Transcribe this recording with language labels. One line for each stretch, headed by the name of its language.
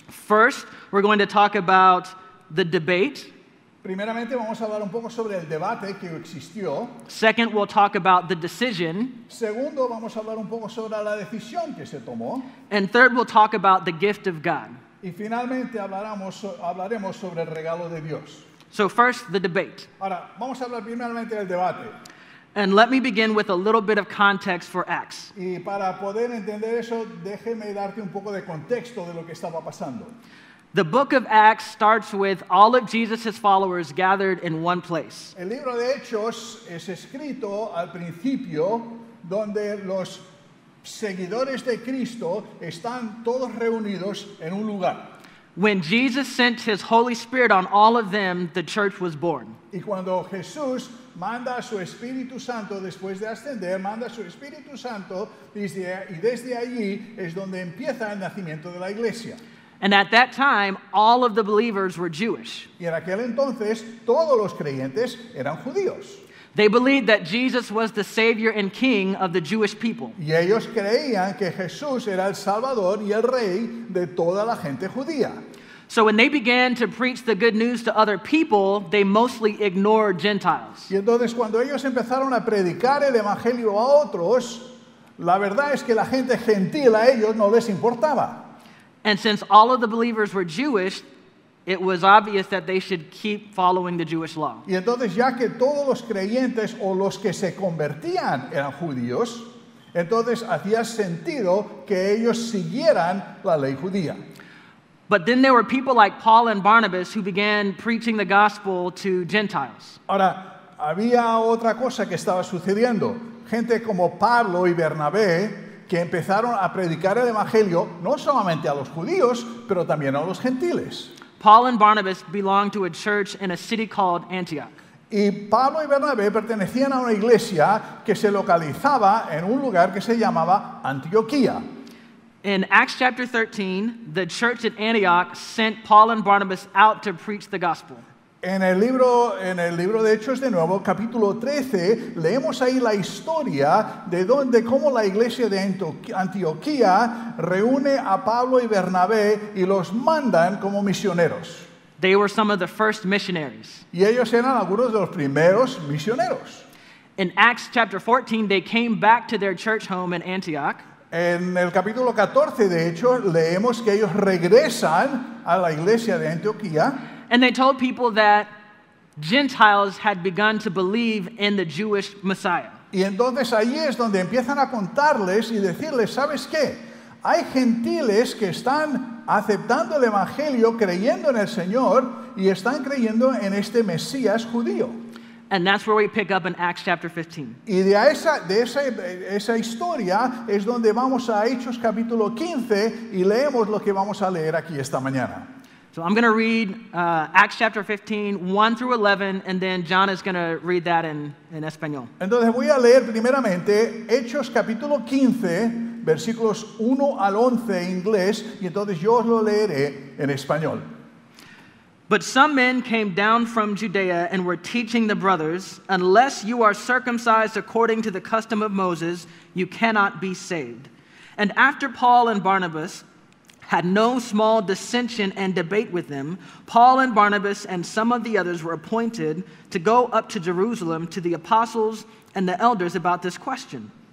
English: First, we're going to talk about the debate.
Spanish: Primeramente, vamos a hablar un poco sobre el debate que existió.
English: Second, we'll talk about the decision.
Spanish: Segundo, vamos a hablar un poco sobre la decisión que se tomó.
English: And third, we'll talk about the gift of God.
Spanish: Y finalmente, hablaremos sobre el regalo de Dios.
English: So first, the debate.
Spanish: Ahora, vamos a hablar primeramente del debate.
English: And let me begin with a little bit of context for Acts.
Spanish: Y para poder entender eso, déjeme darte un poco de contexto de lo que estaba pasando.
English: The book of Acts starts with all of Jesus' followers gathered in one place.
Spanish: El libro de Hechos es escrito al principio donde los seguidores de Cristo están todos reunidos en un lugar.
English: When Jesus sent his Holy Spirit on all of them, the church was born.
Spanish: Y cuando Jesús manda su Espíritu Santo después de ascender, manda su Espíritu Santo y desde allí es donde empieza el nacimiento de la iglesia.
English: And at that time, all of the believers were Jewish.
Spanish: Y en aquel entonces, todos los creyentes eran judíos.
English: They believed that Jesus was the Savior and King of the Jewish people.
Spanish: Y ellos creían que Jesús era el Salvador y el Rey de toda la gente judía.
English: So when they began to preach the good news to other people, they mostly ignored Gentiles.
Spanish: Y entonces cuando ellos empezaron a predicar el Evangelio a otros, la verdad es que la gente gentil a ellos no les importaba.
English: And since all of the believers were Jewish, it was obvious that they should keep following the Jewish law.
Spanish: Y entonces, ya que todos los creyentes o los que se convertían eran judíos, entonces hacía sentido que ellos siguieran la ley judía.
English: But then there were people like Paul and Barnabas who began preaching the gospel to Gentiles.
Spanish: Ahora, había otra cosa que estaba sucediendo. Gente como Pablo y Bernabé que empezaron a predicar el evangelio no solamente a los judíos, pero también a los gentiles.
English: Paul and Barnabas belonged to a church in a city called Antioch.
Spanish: Y Pablo y Bernabé pertenecían a una iglesia que se localizaba en un lugar que se llamaba Antioquía.
English: In Acts chapter 13, the church at Antioch sent Paul and Barnabas out to preach the gospel.
Spanish: En el libro de Hechos de nuevo, capítulo 13, leemos ahí la historia de cómo la iglesia de Antioquía reúne a Pablo y Bernabé y los mandan como misioneros.
English: They were some of the first missionaries.
Spanish: Y ellos eran algunos de los primeros misioneros.
English: In Acts chapter 14, they came back to their church home in Antioch.
Spanish: En el capítulo 14, de hecho, leemos que ellos regresan a la iglesia de Antioquía.
English: And they told people that Gentiles had begun to believe in the Jewish Messiah.
Spanish: Y entonces ahí es donde empiezan a contarles y decirles, ¿sabes qué? Hay gentiles que están aceptando el Evangelio, creyendo en el Señor, y están creyendo en este Mesías judío.
English: And that's where we pick up in Acts chapter 15.
Spanish: Y de esa historia es donde vamos a Hechos capítulo 15 y leemos lo que vamos a leer aquí esta mañana.
English: So I'm going to read Acts chapter 15, 1 through 11, and then John is going to read that in español.
Spanish: Entonces voy a leer primeramente Hechos capítulo 15, versículos 1 al 11 en inglés, y entonces yo os lo leeré en español.
English: But some men came down from Judea and were teaching the brothers, unless you are circumcised according to the custom of Moses, you cannot be saved. And after Paul and Barnabas had no small dissension and debate with them, Paul and Barnabas and some of the others were appointed to go up to Jerusalem to the apostles and the elders about this question.